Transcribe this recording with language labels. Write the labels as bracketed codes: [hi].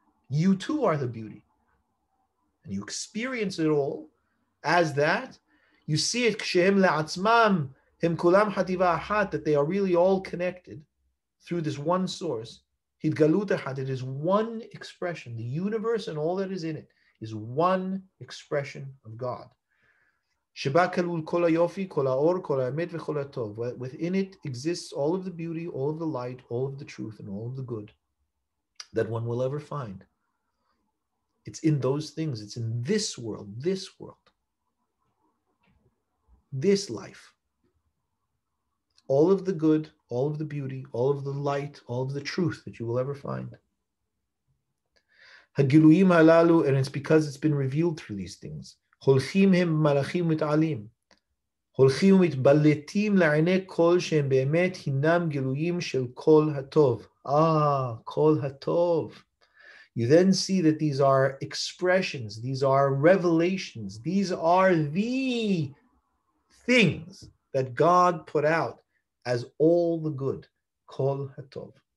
[en] You too are the beauty. And you experience it all as that. You see it, [he] כשהם לעצמם, הם כולם חטיבה אחת, [en] that they are really all connected through this one source. [he] התגלות אחת, [en] it is one expression. The universe and all that is in it is one expression of God. [he] שבה כלול כל היופי, כל האור, כל האמת וכל הטוב. [en] Within it exists all of the beauty, all of the light, all of the truth, and all of the good that one will ever find. It's in those things. It's in this world, this world, this life. All of the good, all of the beauty, all of the light, all of the truth that you will ever find. [he] הגילויים הללו, [en] and it's because it's been revealed through these things. [he] הולכים הם מלאכים מתעלים. הולכים ומתבלטים לעיני כל שהם באמת הינם גילויים של כל הטוב. Ah, כל הטוב. [en] You then see that these are expressions, these are revelations, these are the things that God put out as all the good, kol hatov.